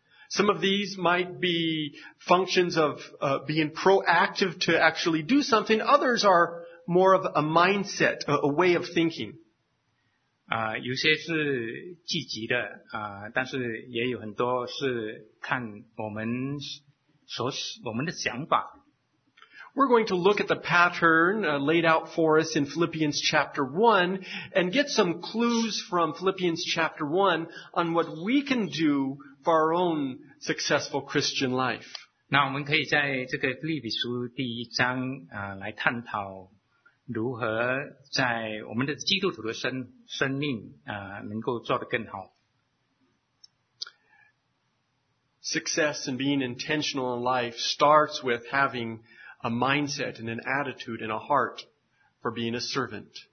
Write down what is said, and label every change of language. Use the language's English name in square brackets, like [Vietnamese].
[English] Some of these might be functions of being proactive to actually do something. Others are more of a mindset, a way of thinking. [Chinese] 有些是积极的，但是也有很多是看我们的想法。 [English] We're going to look at the pattern laid out for us in Philippians chapter 1 and get some clues from Philippians chapter 1 on what we can do for our own successful Christian life. [Chinese] 那我们可以在这个腓立比书第一章来探讨。如何在我们的基督徒的生命，能够做得更好。 [English] Success and being intentional in life starts with having a mindset and an attitude and a heart for being a servant.